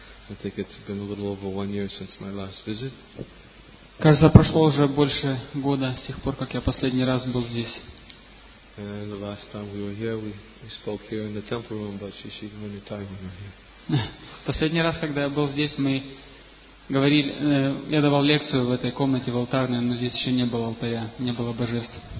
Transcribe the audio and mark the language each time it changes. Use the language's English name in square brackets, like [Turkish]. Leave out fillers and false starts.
[English] I think it's been a little over 1 year since my last visit. [Russian] Кажется, прошло уже больше года с тех пор, как я последний раз был здесь. [English] And the last time we were here, we spoke here in the temple room, but you see, many times we were here. [Russian] Последний раз, когда я был здесь, мы говорили, я давал лекцию в этой комнате в алтарной, но здесь еще не было алтаря, не было божеств.